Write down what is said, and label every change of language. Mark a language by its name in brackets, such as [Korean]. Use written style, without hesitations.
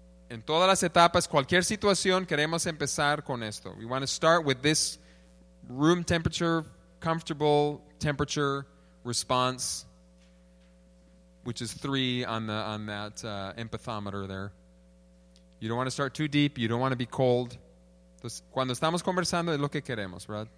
[Spanish] En todas las etapas, cualquier situación, queremos empezar con esto. [English] We want to start with this room temperature, comfortable temperature response, which is 3 on that empathometer there. You don't want to start too deep. You don't want to be cold. [Spanish] Entonces, cuando estamos conversando, es lo que queremos, ¿verdad?